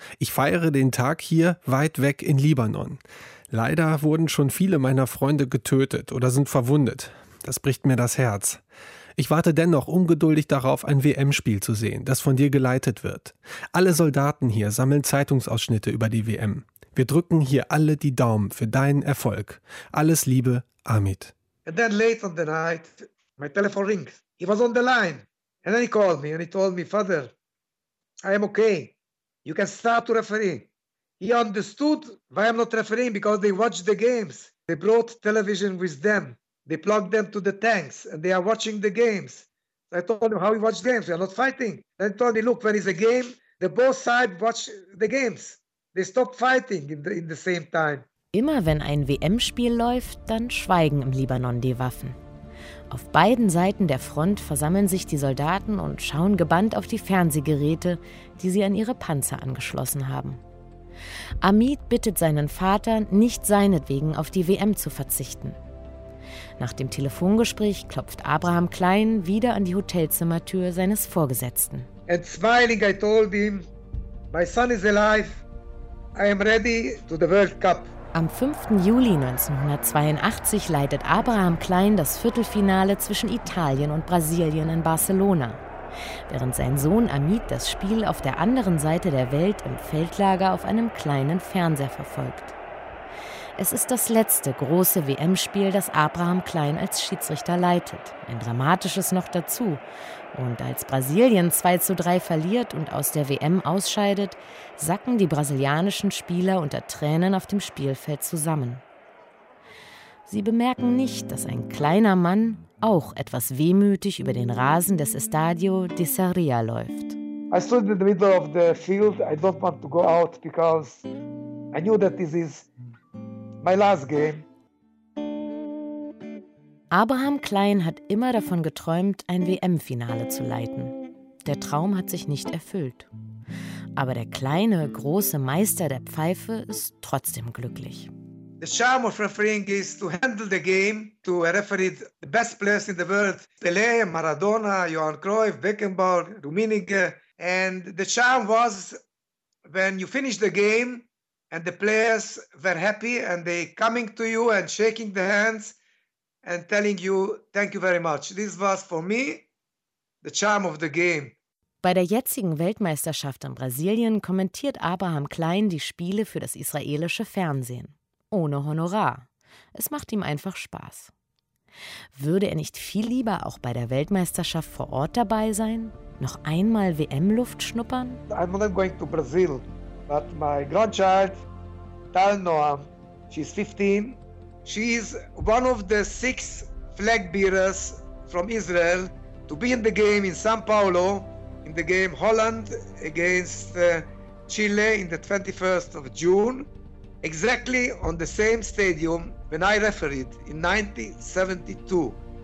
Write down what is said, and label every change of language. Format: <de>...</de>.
<de>Ich feiere den Tag hier weit weg in Libanon. Leider wurden schon viele meiner Freunde getötet oder sind verwundet. Das bricht mir das Herz. Ich warte dennoch ungeduldig darauf, ein WM-Spiel zu sehen, das von dir geleitet wird. Alle Soldaten hier sammeln Zeitungsausschnitte über die WM. Wir drücken hier alle die Daumen für deinen Erfolg. Alles Liebe, Amit.</de> <en>And then late on the night, my telephone rings. He was on the line. And then he called me and he told me, Father, I am okay. You can start to referee. He understood why I'm not refereeing, because they watched the games. They brought television with them. They plugged them to the tanks and they are watching the games. So I told him how we watch games. We are not fighting. Then he told me, look, when it's a game, the both sides watch the games. They stop fighting in the same time.</en> <de>Immer wenn ein WM-Spiel läuft, dann schweigen im Libanon die Waffen. Auf beiden Seiten der Front versammeln sich die Soldaten und schauen gebannt auf die Fernsehgeräte, die sie an ihre Panzer angeschlossen haben. Amit bittet seinen Vater, nicht seinetwegen auf die WM zu verzichten. Nach dem Telefongespräch klopft Abraham Klein wieder an die Hotelzimmertür seines Vorgesetzten.</de> <en>And smiling, I told him, my son is alive. I am ready to the World Cup.</en> <de>Am 5. Juli 1982 leitet Abraham Klein das Viertelfinale zwischen Italien und Brasilien in Barcelona, während sein Sohn Amit das Spiel auf der anderen Seite der Welt im Feldlager auf einem kleinen Fernseher verfolgt. Es ist das letzte große WM-Spiel, das Abraham Klein als Schiedsrichter leitet. Ein dramatisches noch dazu. Und als Brasilien 2-3 verliert und aus der WM ausscheidet, sacken die brasilianischen Spieler unter Tränen auf dem Spielfeld zusammen. Sie bemerken nicht, dass ein kleiner Mann auch etwas wehmütig über den Rasen des Estadio de Serria läuft.</de> <en>I stood in the middle of the field. I don't want to go out because I knew that this is my last game.</en> <de>Abraham Klein hat immer davon geträumt, ein WM-Finale zu leiten. Der Traum hat sich nicht erfüllt. Aber der kleine, große Meister der Pfeife ist trotzdem glücklich.</de> <en>The charm of refereeing is to handle the game, to referee the best players in the world. Pelé, Maradona, Johan Cruyff, Beckenbauer, Rummenigge. And the charm was, when you finish the game and the players were happy and they coming to you and shaking the hands, and telling you, thank you very much. This was for me the charm of the game.</en> <de>Bei der jetzigen Weltmeisterschaft in Brasilien kommentiert Abraham Klein die Spiele für das israelische Fernsehen. Ohne Honorar. Es macht ihm einfach Spaß. Würde er nicht viel lieber auch bei der Weltmeisterschaft vor Ort dabei sein? Noch einmal WM-Luft schnuppern?</de> <en>I'm not going to Brazil, but my grandchild, Tal Noam, she's 15. She is one of the 6 flag bearers from Israel to be in the game in São Paulo, in the game Holland against Chile in the 21st of June, exactly on the same stadium when I refereed in 1972.</en>